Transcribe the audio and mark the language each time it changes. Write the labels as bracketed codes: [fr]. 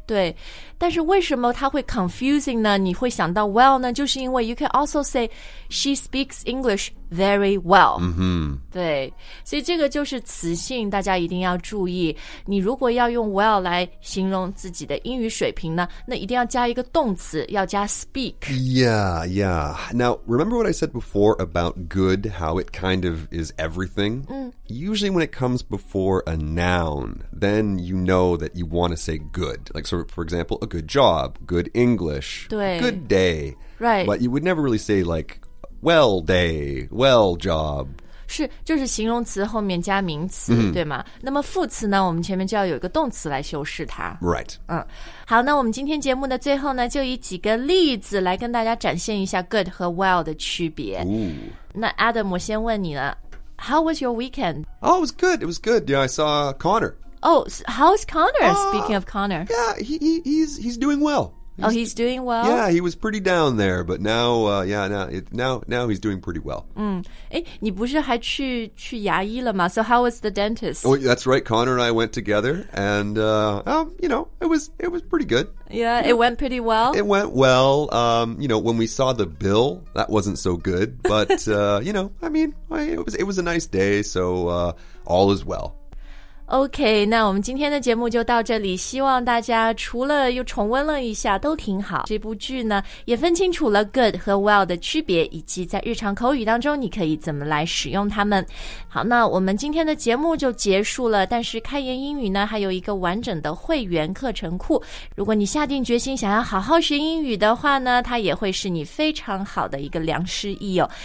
[zh] 对，但是为什么它会 confusing 呢？你会想到 well 呢？就是因为 [en] you can also say she speaks English very well. [zh] 对，所以这个就是词性，大家一定要注意。你如果要用 well 来形容自己的英语水平呢，那一定要加一个动词，要加 speak. [en] Yeah, yeah. Now, remember what I said before about good, how it kind of is everything? Usually when it comes before a noun, then you know that you want to say good. Like, so for example, a good job, good English, good day. Right. But you would never really say like, well day, well job. [zh] 是，就是形容词后面加名词，对吗？那么副词呢，我们前面就要有一个动词来修饰它。 [en] Right. [zh] 好，那我们今天节目的最后呢，就以几个例子来跟大家展现一下 good 和 well 的区别。那 Adam, 我先问你了。 [en] How was your weekend? Oh, it was good. It was good. Yeah, I saw Connor. Oh, how's Connor? Speaking of Connor. Yeah, he's doing well. He's doing well? Yeah, he was pretty down there, but now he's doing pretty well. [zh] 你不是还去牙医了吗? [en] So how was the dentist? Oh, that's right. Connor and I went together, and, you know, it was pretty good. Yeah, it went pretty well. It went well. You know, when we saw the bill, that wasn't so good. But, you know, I mean, it was a nice day, so all is well. [zh] OK, 那我们今天的节目就到这里，希望大家除了又重温了一下都挺好，这部剧呢也分清楚了 good 和 well 的区别，以及在日常口语当中你可以怎么来使用它们。好，那我们今天的节目就结束了，但是开言英语呢还有一个完整的会员课程库，如果你下定决心想要好好学英语的话呢，它也会是你非常好的一个良师益友。